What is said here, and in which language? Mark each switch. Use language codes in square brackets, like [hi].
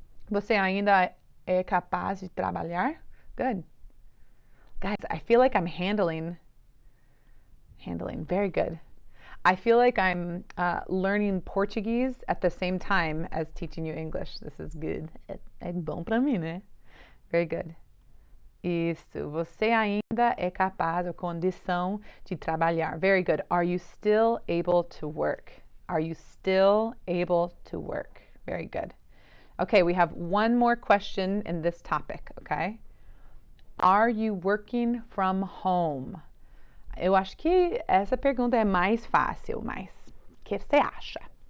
[pt] Você ainda é capaz de trabalhar? Good. [en] Guys, I feel like I'm handling. Very good. I feel like I'm learning Portuguese at the same time as teaching you English. This is good. [pt] É bom para mim, né? [en] Very good. [pt] Isso. Você ainda é capaz ou condição de trabalhar? [en] Very good. Are you still able to work? Are you still able to work? Very good. Okay, we have one more question in this topic, okay? Are you working from home? [pt] Eu acho que essa pergunta é mais fácil, mas o que você acha?